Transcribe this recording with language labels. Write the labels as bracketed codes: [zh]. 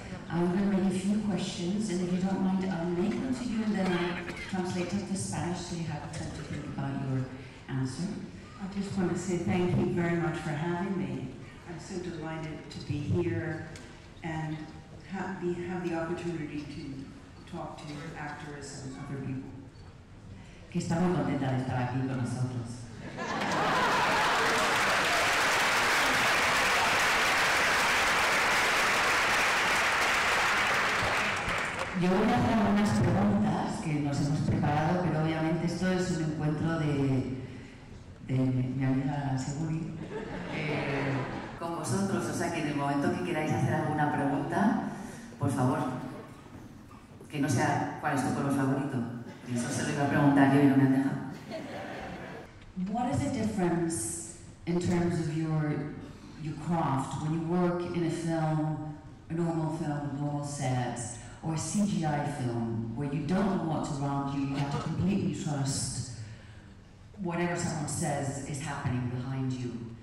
[en] I'm going to make a few questions, and if you don't mind, I'll make them to you, and then I'll translate them to Spanish so you have time to think about your answer. I just want to say thank you very much for having me. I'm so delighted to be here and have the opportunity to talk to actors and other people. [es] Que está muy contenta de estar aquí con nosotros. Yo voy a hacer unas preguntas que nos hemos preparado, pero obviamente esto es un encuentro de mi amiga Sigourney con vosotros, o sea que en el momento que queráis hacer alguna pregunta, por favor, que no sea cuál es tu color favorito. Eso se lo iba a preguntar yo y no me han dejado. [en] What is the difference in terms of your craft when you work in a film, a normal film, normal sets? Or a CGI film where you don't know what's around you, you have to completely trust whatever someone says is happening behind you.